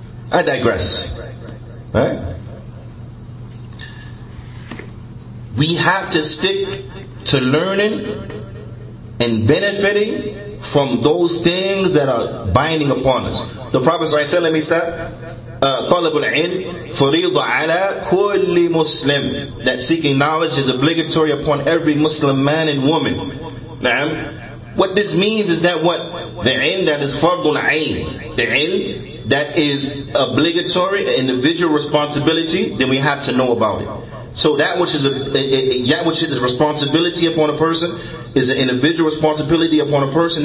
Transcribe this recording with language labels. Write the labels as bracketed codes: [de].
[en] I digress. Right? We have to stick to learning and benefiting from those things that are binding upon us. The Prophet ﷺ said, [ar] طلب العلم فريضة على كل مسلم. [en] That seeking knowledge is obligatory upon every Muslim man and woman. نعم. What this means is that what? The ilm that is fardun ayn. The ilm that is obligatory, an individual responsibility, then we have to know about it. So that which is a responsibility upon a person is an individual responsibility upon a person.